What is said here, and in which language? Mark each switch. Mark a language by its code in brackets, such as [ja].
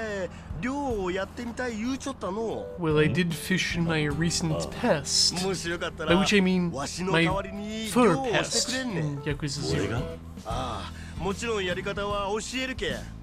[ja] わしはそこで判断してこいつに預けとるんよ。じゃが困ったの。そうですね。ん?ほうじゃ。ん?なあ、キリュウさんよ。あんたこの前漁をやってみたい言うちょったの。 [en] Well, I did fish in my recent past. [ja] もしよかったら、 [en] By which I mean my fur past in Yakuza Zero. [ja] ああ、もちろんやり方は教えるけん。